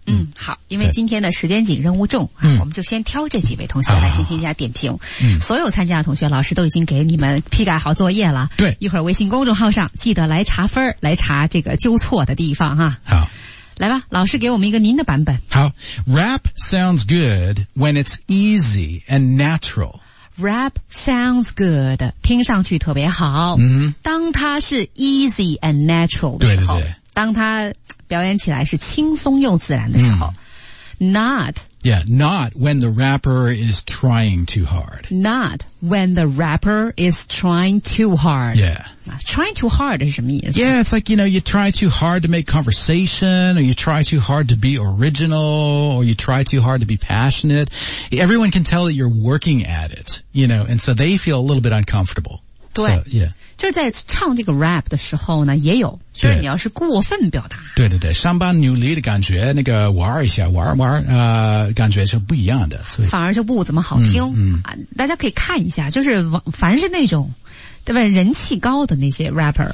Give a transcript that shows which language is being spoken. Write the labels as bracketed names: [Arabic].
[Chinese] 嗯，好，因为今天的时间紧任务重、我们就先挑这几位同学来进行一下点评、所有参加的同学老师都已经给你们批改好作业了，对，一会儿微信公众号上记得来查分，来查这个纠错的地方啊。好，来吧，老师给我们一个您的版本。 [English] 好， Rap sounds good when it's easy and natural. Rap sounds good, [Chinese] 听上去特别好、当它是 [English] easy and natural [Chinese] 的时候，对对对，当它表演起来是轻松又自然的时候、 [English] not yeah, not when the rapper is trying too hard. Not when the rapper is trying too hard. Yeah. Trying too hard [Chinese] 是什么意思？ [English] Yeah, it's like, you know, you try too hard to make conversation, or you try too hard to be original, or you try too hard to be passionate. Everyone can tell that you're working at it, you know, and so they feel a little bit uncomfortable. [Chinese] 对。 [English] So, yeah. [Chinese] 就是在唱这个 rap 的时候呢，也有，就是你要是过分表达，对对对，上班努力的感觉，那个玩一下，玩，感觉是不一样的，所以反而就不怎么好听、大家可以看一下，就是凡是那种，对吧，人气高的那些 rapper，